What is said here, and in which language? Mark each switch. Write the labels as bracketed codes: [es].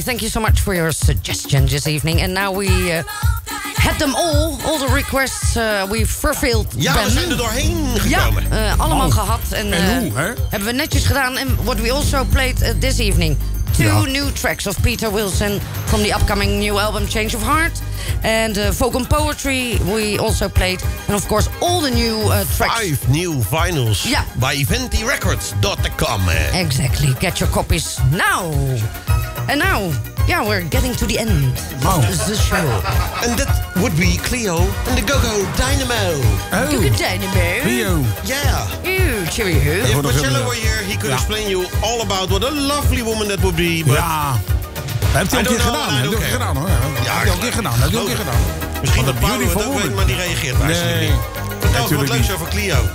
[en] Thank you so much for your suggestion this evening. And now we had them all the requests we fulfilled. [nl] Ja, [en] them. [nl] We zijn er doorheen gekomen. Ja, allemaal oh. gehad. En hoe, hè? Hebben we netjes gedaan. [en] And what we also played this evening. Two new tracks of Peter Wilson from the upcoming new album Change of Heart. And Folk and Poetry we also played. And of course all the new tracks. Five new vinyls by EventyRecords.com. Exactly. Get your copies now. And now, we're getting to the end of the show. And that would be Cleo and the Go-Go Dynamo. Oh. Go-Go Dynamo. Cleo. Yeah. Ew, cheerio. If Marcello were here, he could explain you all about what a lovely woman that would be. But [nl] ja. Heb je ook een keer gedaan? Heb je ook een keer gedaan, hoor. Misschien dat Paulie het ook weet, maar die reageert waarschijnlijk niet. Vertel eens wat leuks over Cleo.